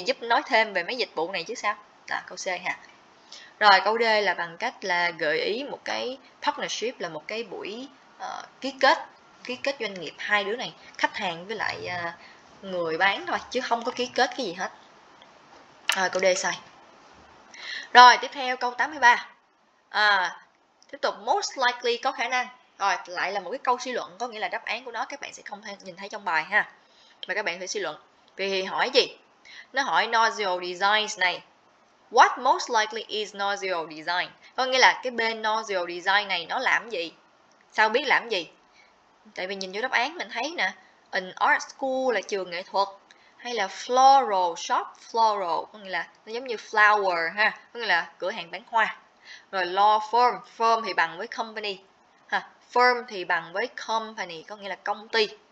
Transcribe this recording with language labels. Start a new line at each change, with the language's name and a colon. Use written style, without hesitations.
Vietnamese: Giúp nói thêm về mấy dịch vụ này chứ sao? Là câu C ha. Rồi câu D là bằng cách là gợi ý một cái partnership, là một cái buổi ký kết doanh nghiệp hai đứa này, khách hàng với lại người bán thôi chứ không có ký kết cái gì hết. Rồi câu D sai. Rồi tiếp theo câu 83. Tiếp tục most likely, có khả năng. Rồi lại là một cái câu suy luận, có nghĩa là đáp án của nó các bạn sẽ không nhìn thấy trong bài ha. Mà các bạn phải suy luận. Vì hỏi gì? Nó hỏi nozzle designs này.
English: What most likely is nozzle design?
Vietnamese: Có nghĩa là cái bên nozzle design này nó làm gì? Sao biết làm gì? Tại vì nhìn vô đáp án mình thấy nè,
English: an art school
Vietnamese: là trường nghệ thuật, hay là floral shop, floral có nghĩa là nó giống như flower ha, có nghĩa là cửa hàng bán hoa. Rồi law firm, firm thì bằng với company ha, firm thì bằng với company có nghĩa là công ty.